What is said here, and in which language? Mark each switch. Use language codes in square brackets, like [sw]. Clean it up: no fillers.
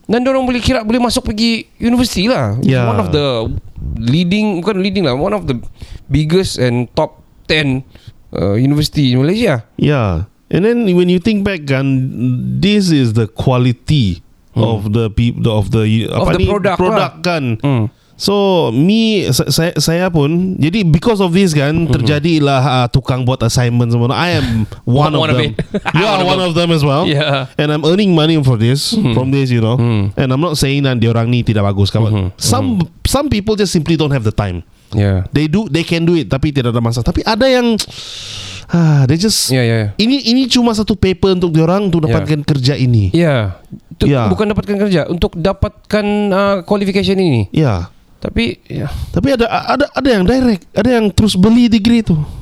[ms] Dan dorang boleh kira boleh masuk pergi universiti lah. [en] Yeah. One of the leading, [ms] bukan leading lah, [en] one of the biggest and top 10 university in Malaysia. Yeah. And then when you think back kan, this is the quality of the people of the of the product [ms] lah kan. [en] So me, [ms] saya pun jadi [en] because of this [ms] kan terjadilah tukang buat assignment semua. [en] I am one of them. You are one of them as well. Yeah. And I'm earning money for this from this, you know. And I'm not saying that [ms] diorang ni tidak bagus. [en] Some people just simply don't have the time. Yeah. They can do it [ms] tapi tidak ada masa. Tapi ada yang [en] they just [ms] ini cuma satu paper untuk diorang untuk dapatkan kerja ini. [en] Yeah. [ms] Bukan dapatkan kerja, untuk dapatkan qualification ini. [en] Yeah. [ms] Tapi ya. Tapi ada yang direct, ada yang terus beli degree tu.